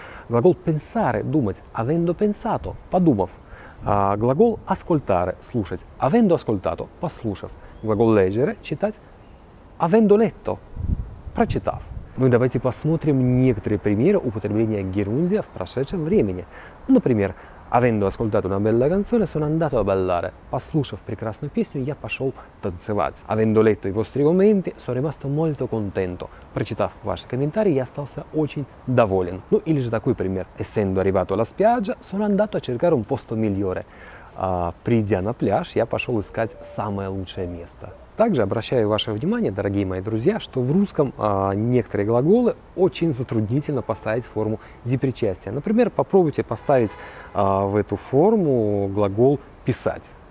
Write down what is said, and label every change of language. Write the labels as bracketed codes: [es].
[ru] Глагол pensare, думать, avendo pensato, подумав. Глагол ascoltare, слушать, avendo ascoltato, послушав. Глагол leggere, читать, avendo letto, прочитав. Ну и давайте посмотрим некоторые примеры употребления герундия в прошедшем времени. Например, [it] avendo ascoltato una bella canzone, sono andato a ballare. [ru] Послушав прекрасную песню, я пошел танцевать. [it] Avendo letto i vostri commenti, sono rimasto molto contento. [ru] Прочитав ваши комментарии, я остался очень доволен. Ну или же такой пример. [it] Essendo arrivato alla spiaggia, sono andato a cercare un posto migliore. [ru] Придя на пляж, я пошел искать самое лучшее место. Также обращаю ваше внимание, дорогие мои друзья, что в русском некоторые глаголы очень затруднительно поставить форму деепричастия. Например, попробуйте поставить в эту форму глагол «писать».